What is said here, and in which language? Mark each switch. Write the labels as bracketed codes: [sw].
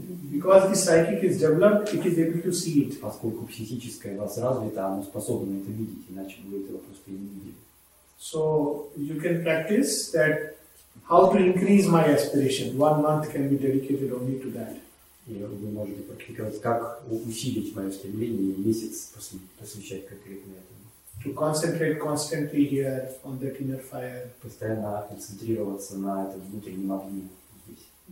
[en] Because the psychic is developed, it is able to see it. [ru] Поскольку психическое вас развито, оно способно это видеть, иначе вы этого просто не видели. [en] So you can practice that how to increase my aspiration. One month can be dedicated only to that. [ru] И вы можете практиковать, как усилить мое стремление и месяц посвящать конкретно этому. [en] To concentrate constantly here on that inner fire. [ru] Постоянно концентрироваться на этом внутреннем огне здесь.